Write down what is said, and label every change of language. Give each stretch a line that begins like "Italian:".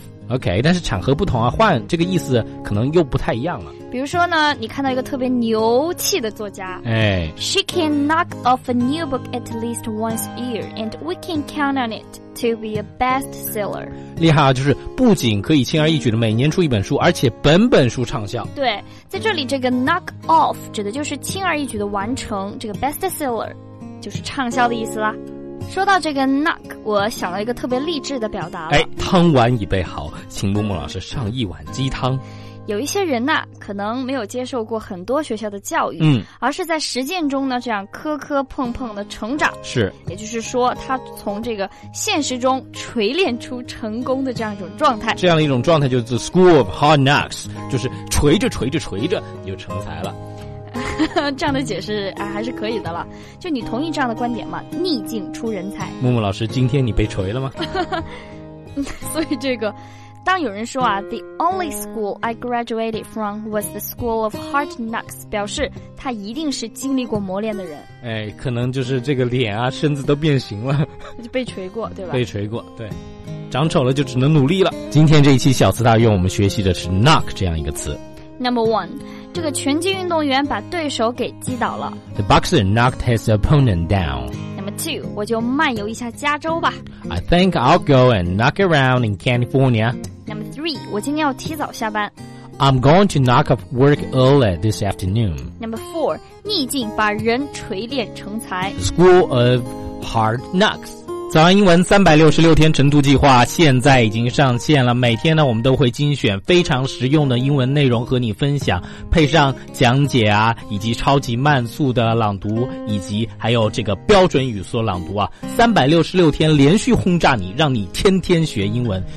Chinese: OK， 但是场合不同啊，换这个意思可能又不太一样了。比如说呢，你看到一个特别牛气的作家，哎
English: ，She can knock off a new book at least once a year, and we can count on it to be a bestseller。
Chinese: 厉害啊，就是不仅可以轻而易举的每年出一本书，而且本本书畅销。对，在这里这个 knock off 指的就是轻而易举的完成，这个 bestseller 就是畅销的意思啦。说到这个 knock， 我想了一个特别励志的表达了。哎，汤碗已备好，请木木老师上一碗鸡汤。有一些人呢，可能没有接受过很多学校的教育，而是在实践中呢，这样磕磕碰碰的成长。是，也就是说，他从这个现实中锤炼出成功的这样一种状态。这样的一种状态就是
English: school of hard knocks，
Chinese: 就是锤着锤着锤着就成才了。这样的解释啊，还是可以的了。就你同意这样的观点吗？逆境出人才。木木老师，今天你被锤了吗？所以这个，当有人说啊 ，
English: The only school I graduated from was the school of hard knocks，
Chinese: 表示他一定是经历过磨练的人。哎，可能就是这个脸啊、身子都变形了，就被锤过，对吧？被锤过，对。长丑了就只能努力了。今天这一期小词大用，我们学习的是 knock 这样一个词。
English: Number one，
Chinese: 这个拳击运动员把对手给击倒了。
English: The boxer knocked his opponent down。
Chinese: Two， 我就漫游一下加州吧。
English: I think I'll go and knock around in California. Number three，
Chinese: 我今天要提早下班。
English: I'm going to knock off work early this afternoon. Number four，
Chinese: 逆境把人锤炼成才。
English: The School of Hard Knocks。
Chinese: 早安英文366天晨读计划现在已经上线了，每天呢我们都会精选非常实用的英文内容和你分享，配上讲解啊，以及超级慢速的朗读，以及还有这个标准语速朗读啊，366天连续轰炸你，让你天天学英文。